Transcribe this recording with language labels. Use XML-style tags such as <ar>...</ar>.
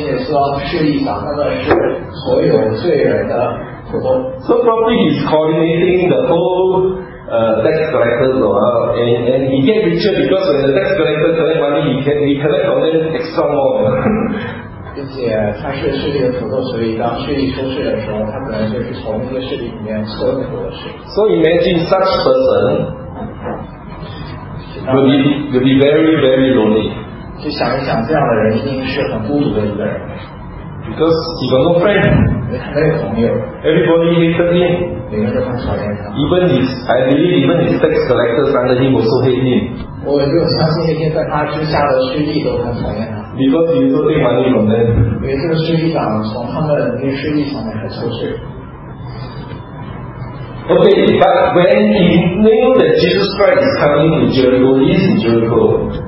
<en>So probably he's coordinating the whole tax collectors and he get richer because when the tax collector collect money he collect from them extra more.</en> <zh>并且他是税吏的徒弟，所以当税吏收税的时候，他可能就是从那个税吏里面抽那么多的税。</zh> <en>So imagine such person will be very very lonely.</en> <zh>就想一想，这样的人一定是很孤独的一个人。</zh> <en>Because he got no friend.</en> <zh>因为他没有朋友。</zh> <en>Everybody hated him.</en> <zh>每个人都很讨厌他。</zh> <en>I believe even his tax collectors under him also hate him.</en> <zh>我就相信那些在他之下的税吏都很讨厌他。</zh> <en>Because he is so big money from them.</en> <zh>因为这个税吏长从他们那些税吏上面来抽税。</zh> <en>Okay, but when he knew that Jesus Christ is coming to Jericho, he is in Jericho.</en>